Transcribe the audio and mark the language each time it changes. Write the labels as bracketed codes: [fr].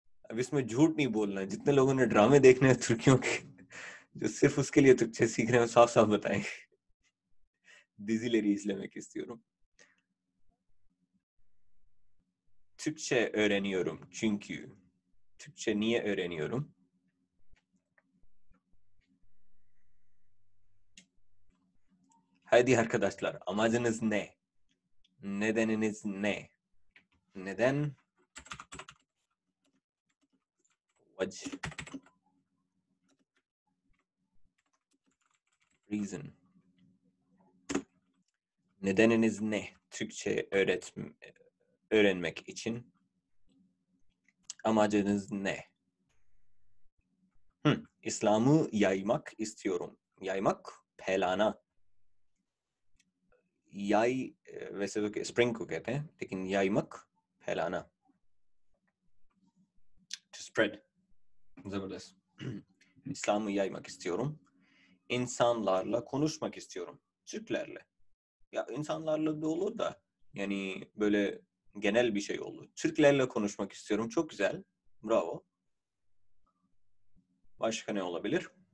[hi] Ab isme झूठ नहीं बोलना। जितने लोगों ने ड्रामे देखने हैं तुर्कियों के, जो सिर्फ उसके लिए तुर्कचे सीख रहे हैं, साफ साफ बताएं। [tr] Dizileri izlemek istiyorum. Türkçe öğreniyorum çünkü. Türkçe niye öğreniyorum? Haydi arkadaşlar, amacınız ne? Nedeniniz ne? Neden? [hi] Vaj. [en] Reason. [tr] Nedeniniz ne? Türkçe öğrenmek için. Amacınız ne? İslam'ı yaymak istiyorum. Yaymak, [hi] pelana. याई वैसे तो स्प्रिंग को कहते हैं, लेकिन याईमक फैलाना, [en] to spread, [hi] जबरदस्त। [tr] इस्लाम याईमक इस्तियोरुम, इंसानलारला कोनुशमक इस्तियोरुम, Türklerle, ya insanlarla da olur da, yani böyle genel bir şey olur. Türklerle konuşmak istiyorum, çok güzel, bravo. başka ne olabilir?